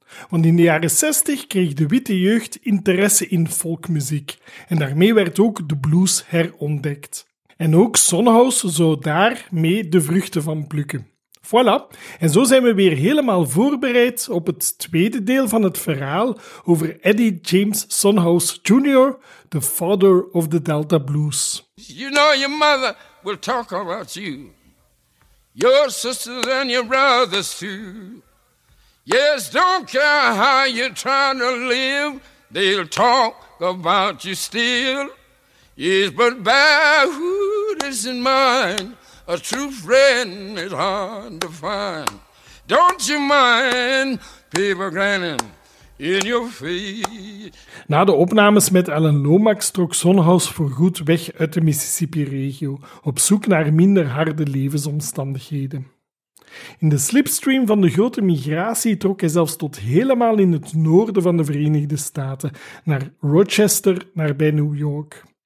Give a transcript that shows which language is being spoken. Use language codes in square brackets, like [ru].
[nl] Want in de jaren 60 kreeg de witte jeugd interesse in folkmuziek en daarmee werd ook de blues herontdekt. En ook Sonhouse zou daarmee de vruchten van plukken. Voilà, en zo zijn we weer helemaal voorbereid op het tweede deel van het verhaal over Eddie James Sonhouse Jr., [en] the father of the Delta Blues. You know your mother will talk about you. Your sisters and your brothers too. Yes, don't care how you're trying to live, they'll talk about you still. Yes, but bear who is in mind, a true friend is hard to find. Don't you mind people grinning in your face. [nl] Na de opnames met Alan Lomax trok Sonhouse voorgoed weg uit de Mississippi-regio, op zoek naar minder harde levensomstandigheden. In de slipstream van de grote migratie trok hij zelfs tot helemaal in het noorden van de Verenigde Staten, naar Rochester, nabij New York.